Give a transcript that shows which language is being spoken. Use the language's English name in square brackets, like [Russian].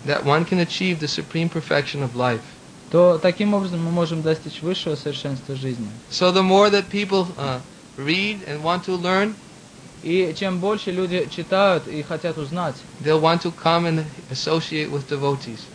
[English] That one can achieve the supreme perfection of life. [Russian] То таким образом мы можем достичь высшего совершенства жизни. [English] So the more that people read and want to learn, [Russian] и чем больше люди читают и хотят узнать, [English] they'll want to come and associate with devotees.